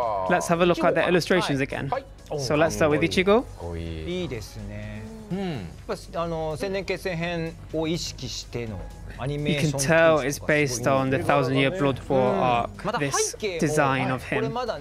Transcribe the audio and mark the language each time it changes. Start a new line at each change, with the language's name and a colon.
English: Let's have a look at the illustrations again. So let's start with Ichigo.
Japanese: いいですね。やっぱ千年決戦編を意識しての
English: You can tell it's based on the Thousand Year Blood War arc, this design of him.